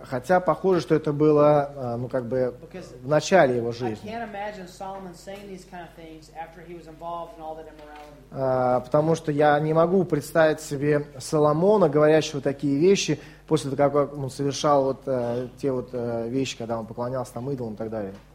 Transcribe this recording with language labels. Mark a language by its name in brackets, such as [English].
[Russian] Хотя похоже, что это было, в начале его жизни. [English] I can't imagine Solomon saying these kind of things after he was involved in all that immorality. [Russian] Потому что я не могу представить себе Соломона, говорящего такие вещи, после того, как он совершал вещи, когда он поклонялся там идолам и так далее.